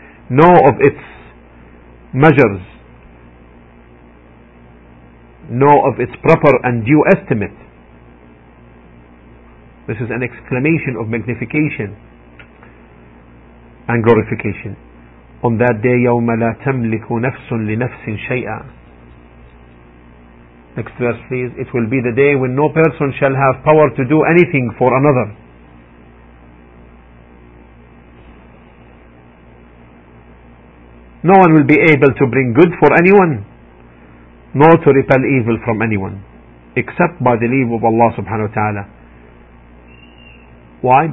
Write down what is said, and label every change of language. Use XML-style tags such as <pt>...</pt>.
<en>Know of its measures. Know of its proper and due estimate. This is an exclamation of magnification and glorification. On that day,</en> <ar>يوم لا تملك نفس لنفس شيئا.</ar> <en>Next verse please. It will be the day when no person shall have power to do anything for another. No one will be able to bring good for anyone, nor to repel evil from anyone, except by the leave of Allah subhanahu wa ta'ala. Why?</en>